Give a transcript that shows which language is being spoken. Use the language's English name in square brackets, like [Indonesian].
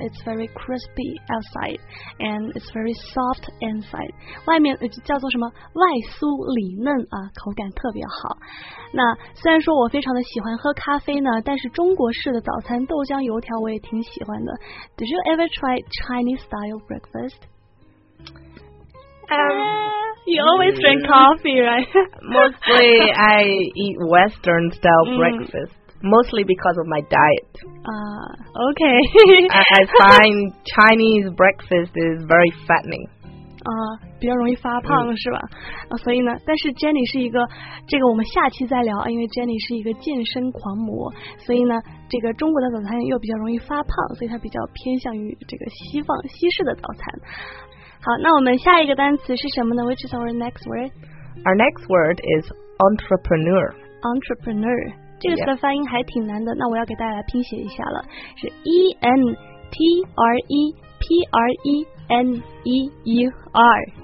[English] It's very crispy outside, and it's very soft inside. [Chinese] 外面叫做什么？外酥里嫩啊，口感特别好。那虽然说我非常的喜欢喝咖啡呢，但是中国式的早餐豆浆油条我也挺喜欢的。 [English] Did you ever try Chinese style breakfast? You always drink coffee, right? Mostly, I eat Western style breakfast. Mostly because of my diet. Okay. I find Chinese breakfast is very fattening. [Chinese] 比较容易发胖是吧？所以呢，但是 Jenny 是一个，这个我们下期再聊啊，因为 Jenny 是一个健身狂魔，所以呢，这个中国的早餐又比较容易发胖，所以它比较偏向于这个西式的早餐。好，那我们下一个单词是什么呢 ？ [English] Which is our next word? Our next word is entrepreneur. Entrepreneur. [Chinese] 这个词的发音还挺难的，那我要给大家来拼写一下了，是 E N T R E P R E N E U R.